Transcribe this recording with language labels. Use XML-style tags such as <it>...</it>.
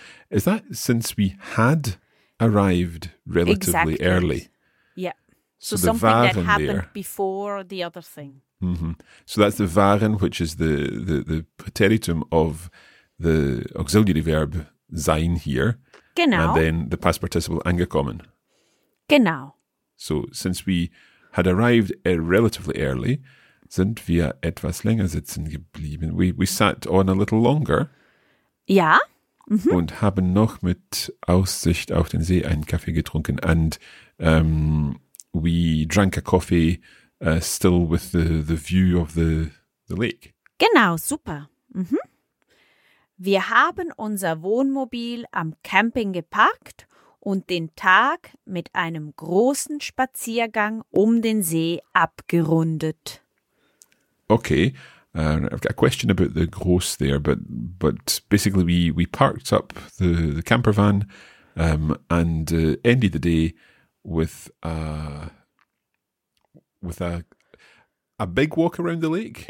<en>is that since we had arrived relatively exactly. early? Yeah. So something that happened there. Before the other thing. Mm-hmm. So that's the waren, which is the preteritum of the auxiliary verb sein here.</en> <de>Genau.</de> <en>And then the past participle angekommen.</en> <de>Genau.</de> <en>So since we had arrived relatively early,</en> <de>sind wir etwas länger sitzen geblieben.</de> <en>We sat on a little longer.</en> <de>Ja. Mm-hmm. Und haben noch mit Aussicht auf den See einen Kaffee getrunken.</de> <en>And we drank a coffee still with the view of the lake.</en> <de>Genau, super. Mm-hmm. Wir haben unser Wohnmobil am Camping geparkt und den Tag mit einem großen Spaziergang um den See abgerundet.</de> <en>Okay. I've got a question about the gross there, but basically we parked up the camper van and ended the day with a big walk around the lake.</en>